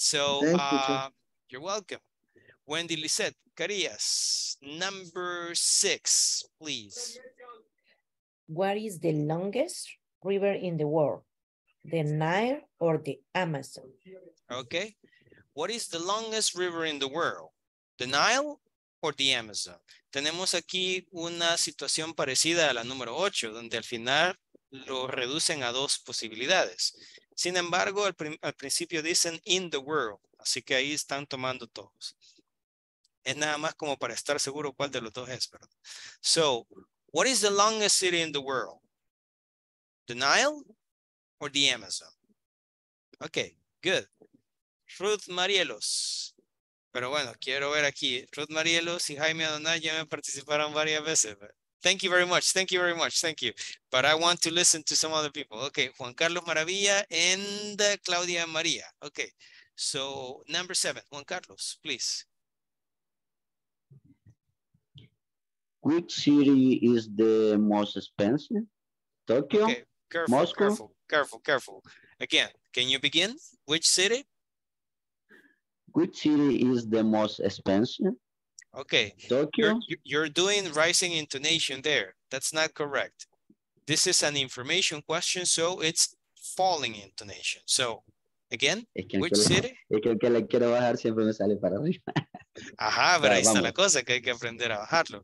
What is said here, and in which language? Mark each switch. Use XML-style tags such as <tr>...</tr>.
<en>So you're welcome. Wendy Lisette Carias, number six, please. What is the longest river in the world? The Nile or the Amazon? Okay. What is the longest river in the world? The Nile or the Amazon?</en> <es>Tenemos aquí una situación parecida a la número 8, donde al final lo reducen a dos posibilidades. Sin embargo, al principio dicen</es> <en>in the world,</en> <es>así que ahí están tomando todos. Es nada más como para estar seguro cuál de los dos es, ¿verdad?</es> <en>So, what is the longest city in the world? The Nile or the Amazon? Okay, good.</en> <es>Ruth Marielos. Pero bueno, quiero ver aquí.</es> <en>Ruth Marielos y Jaime Adonai</en> <es>ya me participaron varias veces.</es> <en>Thank you very much. Thank you very much. Thank you. But I want to listen to some other people. Okay, Juan Carlos Maravilla and Claudia María. Okay, so number seven. Juan Carlos, please. Which city is the most expensive? Tokyo? Okay, careful, Moscow? Careful, careful, careful. Again, can you begin? Which city? Which city is the most expensive? Okay. Tokyo? You're doing rising intonation there. That's not correct. This is an information question, so it's falling intonation. So, again, which city?</en> <es>Es que el que le quiero bajar siempre me sale para arriba. Ajá, pero ahí está la cosa, que hay que aprender a bajarlo.</es>